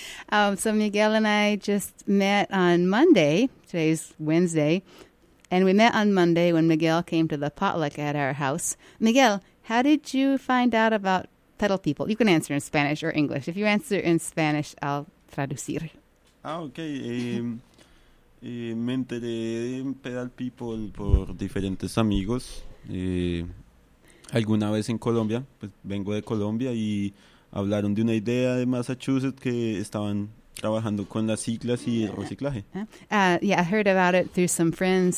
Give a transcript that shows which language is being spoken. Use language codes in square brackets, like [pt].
[en] So Miguel and I just met on Monday. Today's Wednesday, and we met on Monday when Miguel came to the potluck at our house. Miguel, how did you find out about pedal people? You can answer in Spanish or English. If you answer in Spanish, I'll traducir. Okay. [es] Me enteré en pedal people por diferentes amigos. Alguna vez en Colombia, pues vengo de Colombia, y hablaron de una idea de Massachusetts que estaban trabajando con las siglas y el reciclaje. [en] I heard about it through some friends.